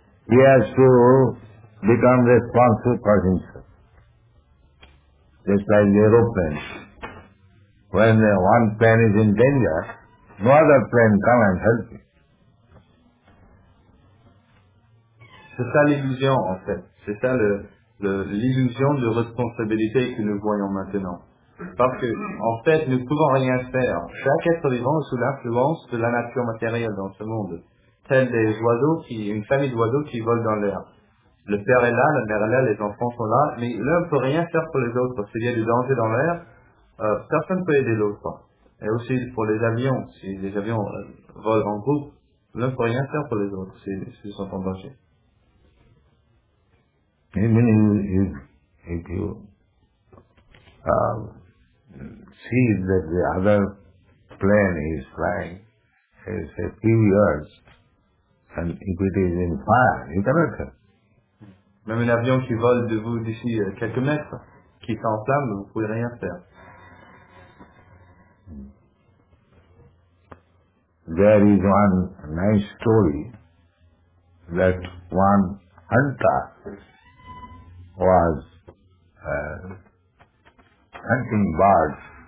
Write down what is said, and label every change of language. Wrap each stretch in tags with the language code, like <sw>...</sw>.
<en>He has to become responsible for himself. Just like the aeroplane. When one plane is in danger, no other plane come and help him.</en> <fr>C'est ça l'illusion, en fait. C'est ça l'illusion de responsabilité que nous voyons maintenant. Parce que, en fait, nous ne pouvons rien faire. Chaque être vivant est sous l'influence de la nature matérielle dans ce monde. Tels des oiseaux qui, une famille d'oiseaux qui volent dans l'air. Le père est là, la mère est là, les enfants sont là, mais l'un ne peut rien faire pour les autres. S'il y a du danger dans l'air, personne ne peut aider l'autre. Et aussi pour les avions, si les avions volent en groupe, l'un ne peut rien faire pour les autres s'ils sont en danger.</fr> <en>If you see that the other plane is flying, it's a few years. And if it is in fire, you cannot help.</en> <fr>Même un avion qui vole de vous d'ici quelques mètres, qui s'enflamme, vous ne pouvez rien faire.</fr> <en>There is one nice story that one hunter was hunting birds.</en>